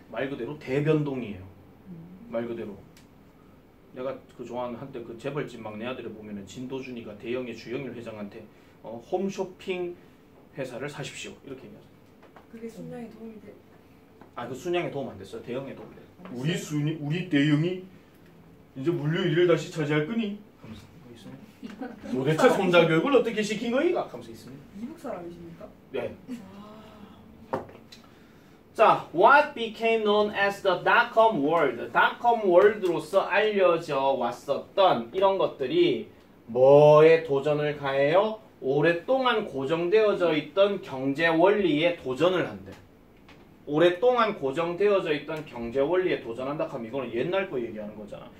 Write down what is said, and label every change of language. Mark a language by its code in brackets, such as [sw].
[ko] 말 그대로 대변동이에요. 말 그대로. 내가 그 좋아하는 한때 그 재벌집 막내 아들을 보면은 진도준이가 대형의 주영일 회장한테 홈쇼핑 회사를 사십시오 이렇게 얘기하죠. 그게 순양에 도움이 돼. 아, 그 순양에 도움 안 됐어요. 대형에 도움 돼. 우리 순이 우리 대형이 이제 물류 일을 다시 차지할 거니? 감사합니다. 있습니다. 도대체 손자 교육을 어떻게 시킨 거이가? 감사 있습니다. 미국 사람이십니까? 네. 자, [en] what became known as the dot-com world? [ko] dot-com world로서 알려져 왔었던 이런 것들이 뭐에 도전을 가해요? 오랫동안 고정되어져 있던 경제 원리에 도전을 한대. 오랫동안 고정되어져 있던 경제 원리에 도전한다 하면 이거는 옛날 거 얘기하는 거잖아.